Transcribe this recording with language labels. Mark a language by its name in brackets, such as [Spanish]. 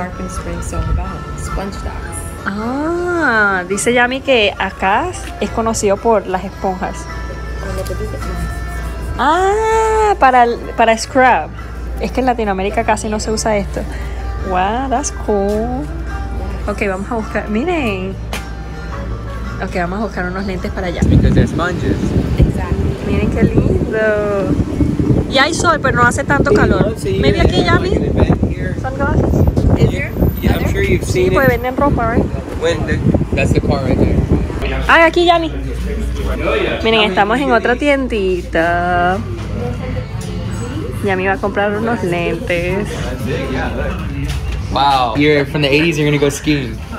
[English] Tarpon Spring is all about sponge dogs. [Spanish] Ah, dice Yami que acá es conocido por las esponjas. Ah, para scrub. Es que en Latinoamérica casi no se usa esto. [English] Wow, that's cool. [Spanish] Ok, vamos a buscar, miren. Ok, vamos a buscar unos lentes para allá. [English] Because they're sponges. Exactly. [Spanish] Miren qué lindo. Y hay sol, pero no hace tanto calor. [English] Maybe aquí Yami. Sunglasses. Yeah, I'm sure you've seen it. Ropa, right? When that's the car right there. [Spanish] Ah, aquí Yami. Miren, estamos en otra tiendita. Yami va a comprar unos lentes. [English] Wow, you're from the 80s, you're gonna go skiing.